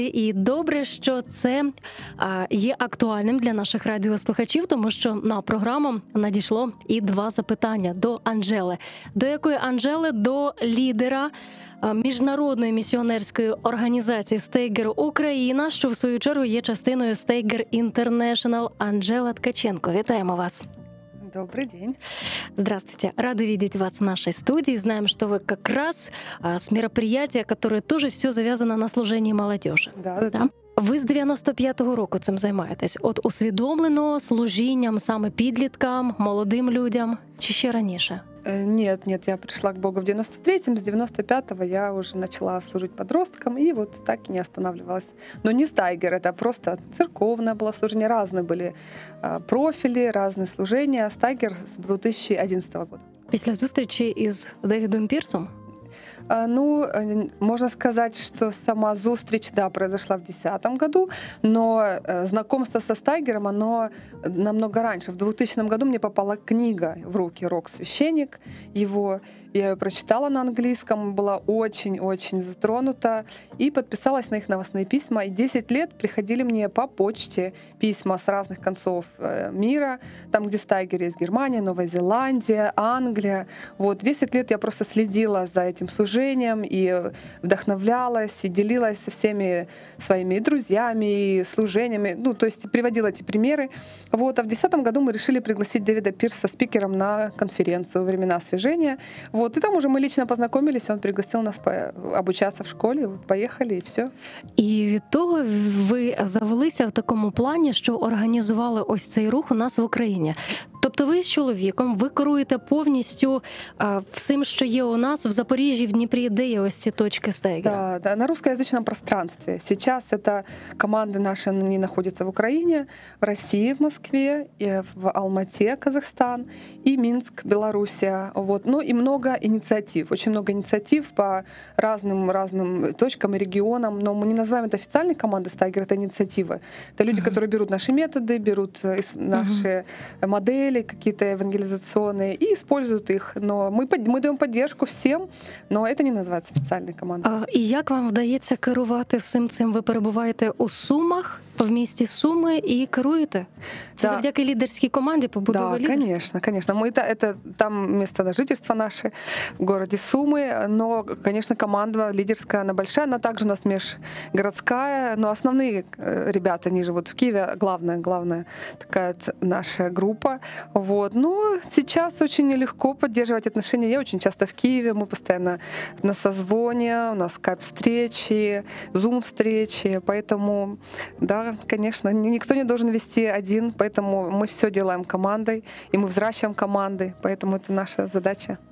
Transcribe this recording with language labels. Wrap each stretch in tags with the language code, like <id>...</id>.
<uk>І добре, що це є актуальним для наших радіослухачів, тому що на програму надійшло і два запитання до Анжели. До якої Анжели? До лідера міжнародної місіонерської організації «Стейгер Україна», що в свою чергу є частиною «Стейгер Інтернешнл», Анжела Ткаченко. Вітаємо вас. Добрий день.</uk> <ru>Здравствуйте. Рады видеть вас в нашей студии. Знаем, что вы как раз с мероприятия, которое тоже все завязано на служении молодежи. Да.</ru> <uk>Ви з 95-го року цим займаєтесь. От усвідомлено служінням саме підліткам, молодим людям чи ще раніше? Ні, я прийшла к Богу в 93-му, з 95-го я вже почала служити підросткам і от так і</uk> <ru>не останавливалась.</ru> <uk>Ну не стайгер, це просто церковне було служення, різні були профілі, різні служення. Стайгер з 2011-го року. Після зустрічі із Девідом Пірсом?</uk> <ru>Ну, можно сказать, что сама зустріч, да, произошла в 2010 году, но знакомство со Стайгером, оно намного раньше. В 2000 году мне попала книга в руки «Рок-священник» его. Я ее прочитала на английском, была очень-очень затронута и подписалась на их новостные письма. И 10 лет приходили мне по почте письма с разных концов мира, там, где Стайгер есть, Германия, Новая Зеландия, Англия. Вот, 10 лет я просто следила за этим служением и вдохновлялась, и делилась со всеми своими друзьями, и служениями, ну, то есть приводила эти примеры. Вот, а в 2010 году мы решили пригласить Дэвида Пирса спикером на конференцию «Времена освежения». Вот, и там уже мы лично познакомились, он пригласил нас обучаться в школе, вот поехали и все.</ru> <uk>И від того ви завелися в такому плані, що організували ось цей рух у нас в Україні. Тобто ви з чоловіком, ви керуєте повністю всім, що є у нас в Запоріжжі, в Дніпрі, де є ось ці точки стейгера?</uk> <ru>Да, да, на русскоязычном пространстве. Сейчас это команды наши, они находятся в Украине, в России, в Москве, в Алмате, Казахстан, и Минск, Белоруссия. Вот. Ну и много инициатив, очень много инициатив по разным точкам и регионам, но мы не называем это официальной командой «Стайгер», это инициативы. Это люди, которые берут наши методы, берут наши модели какие-то евангелизационные и используют их. Но мы даем поддержку всем, но это не называется официальной командой. А, и как вам удается керувати всем цим?</ru> <uk>Вы перебуваете у Сумах? В місті Суми і керуєте? Це да. Завдяки лідерській команді побудова лідерства? Так, звісно. Це там місце на жительство наше, в місті Суми, але, звісно, команда лідерська, вона велика, вона також у нас міжгородська, але основні ребята, вони живуть в Києві, головна така наша група. Вот. Ну, зараз дуже легко підтримувати відносини. Я дуже часто в Києві, ми постійно на созвоні, у нас скайп-встречі, зум-встречі, тому,</uk> <ru>да, конечно, никто не должен вести один, поэтому мы все делаем командой, и мы взращиваем команды, поэтому это наша задача.</ru>